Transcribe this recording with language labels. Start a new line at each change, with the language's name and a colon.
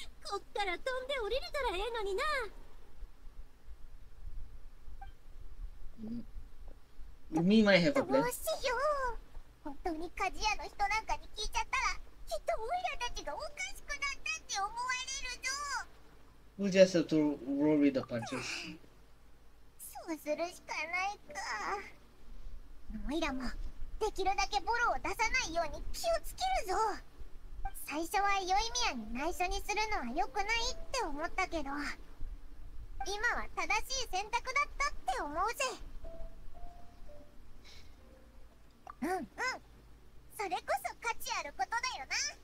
Japanese: こっから飛んで降りれたらええのにな。
English: We might have a plan.
Japanese: どうしよう。本当に鍛冶屋の人なんかに聞いちゃったら、きっとオイラたちがおかしくなったって思われるぞ。
English: We'll just have to roll with the punches.
Japanese: そうするしかないか。オイラもできるだけボロを出さないように気をつけるぞ。最初はヨイミヤに内緒にするのは良くないって思ったけど、今は正しい選択だったって思うぜ。うんうん、それこそ価値あることだよな。